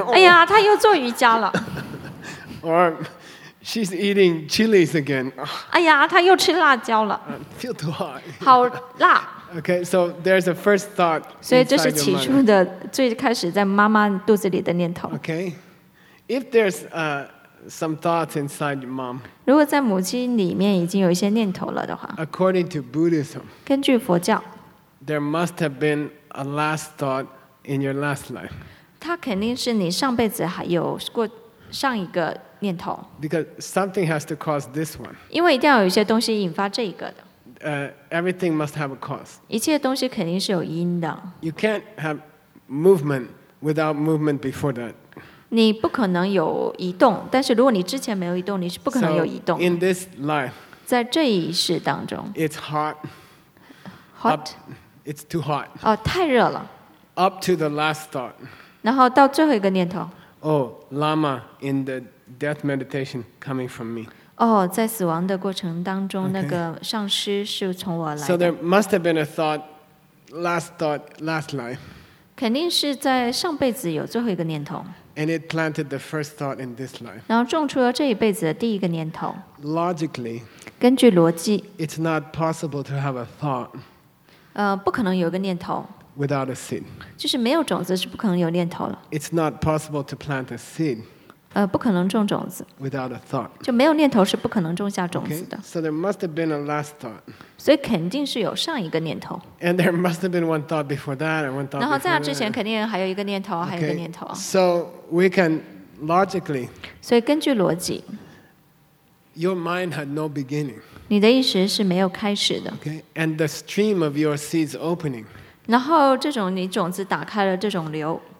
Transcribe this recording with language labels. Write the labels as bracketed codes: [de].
[zh] Oh. 哎呀，她又做瑜伽了。 [en] Or she's eating chilies again.、 [zh] Oh. 哎呀，她又吃辣椒了。 [en] Feel too hot. [zh] 好辣。 [en] Okay, so there's a first thought. [zh] 所以这是起初的最开始在妈妈肚子里的念头。 [en] Okay, if there's some thoughts inside your mom. [zh] 如果在母亲里面已经有一些念头了的话。 [en] According to Buddhism. [zh] 根据佛教。 [en] There must have been a last thought in your last life. [zh] 它肯定是你上辈子还有过上一个念头。 [en] Because something has to cause this one. [zh] 因为一定要有一些东西引发这一个的。 [en] Everything must have a cause. [zh] 一切东西肯定是有因的。 [en] You can't have movement without movement before that. [zh] 你不可能有移动，但是如果你之前没有移动，你是不可能有移动。 [en] So in this life, [zh] 在这一世当中 [en] ，it's hot. Hot. Up, it's too hot. [zh] 哦，太热了。 [en] Up to the last thought. [zh] 然后到最后一个念头。 [en] Oh, Lama in the death meditation coming from me. [zh] 在死亡的过程当中、okay. 那个上师是从我来的。 [en] So there must have been a thought, last thought, last life. [zh] 肯定是在上辈子有最后一个念头。 [en] And it planted the first thought in this life. [zh] 然后种出了这一辈子的第一个念头。 [en] Logically, [zh] 根据逻辑 [en] it's not possible to have a thought. [zh] 不可能有一个念头。 [en] Without a seed. [zh] 就是没有种子是不可能有念头了。 [en] It's not possible to plant a seed. [zh] 不可能种种子 [en] Without a thought. [zh] 就没有念头是不可能种下种子的 [en] okay, So there must have been a last thought. [zh] 所以肯定是有上一个念头 [en] And there must have been one thought before that and one thought [zh] 然后在那之前肯定还有一个念头 [en] okay, [zh] 还有一个念头 [en] So we can logically [zh] 所以根据逻辑 [en] Your mind had no beginning [zh] 你的意识是没有开始的 [en] okay, And the stream of your seeds opening [zh] 然后这种你种子打开了这种流